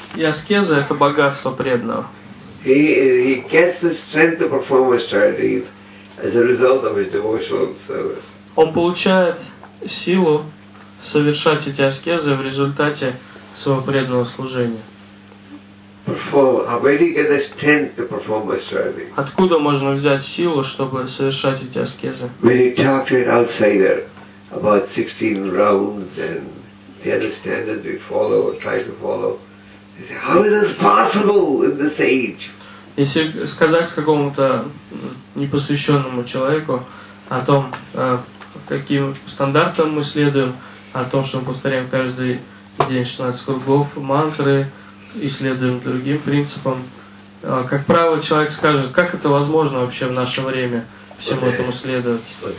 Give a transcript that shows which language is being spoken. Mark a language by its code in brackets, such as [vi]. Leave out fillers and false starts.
[ru] И аскеза – это богатство преданного. [en] He gets the strength to perform austerities as a result of his devotional service. [ru] Он получает силу совершать эти аскезы в результате своего преданного служения. [en] Where do you get the strength to perform austerity? [ru] Откуда можно взять силу, чтобы совершать эти аскезы? [en] When you talk to an outsider about 16 rounds and the other standards we follow or try to follow, they say, how is this possible in this age? [ru] Если сказать какому-то непосвященному человеку о том, каким стандартам мы следуем, о том, что мы повторяем каждый день 16 кругов, мантры, и следуем другим принципам. Как правило, человек скажет, как это возможно вообще в наше время всему этому следовать.